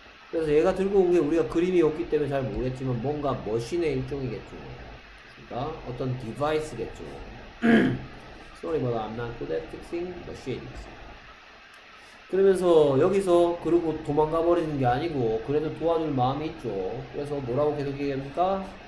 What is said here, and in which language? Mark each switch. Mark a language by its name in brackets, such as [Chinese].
[Korean] 그래서 얘가 들고 온 게 우리가 그림이었기 때문에 잘 모르겠지만 뭔가 머신의 일종이겠죠. 그러니까 어떤 디바이스겠죠. [English] Sorry, but I'm not good at fixing machines. [Korean] 그러면서 여기서 그러고 도망가 버리는 게 아니고 그래도 도와줄 마음이 있죠. 그래서 뭐라고 계속 얘기합니까?